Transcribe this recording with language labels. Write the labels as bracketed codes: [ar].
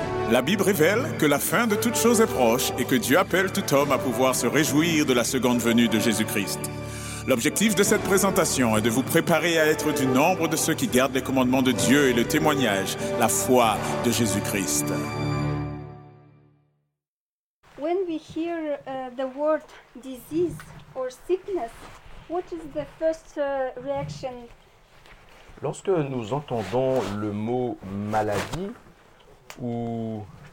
[fr] La Bible révèle que la fin de toutes choses est proche et que Dieu appelle tout homme à pouvoir se réjouir de la seconde venue de Jésus-Christ. L'objectif de cette présentation est de vous préparer à être du nombre de ceux qui gardent les commandements de Dieu et le témoignage, la foi de Jésus-Christ. [en] When we hear the word disease or sickness, what is the first reaction? [fr] Lorsque nous entendons le mot maladie ou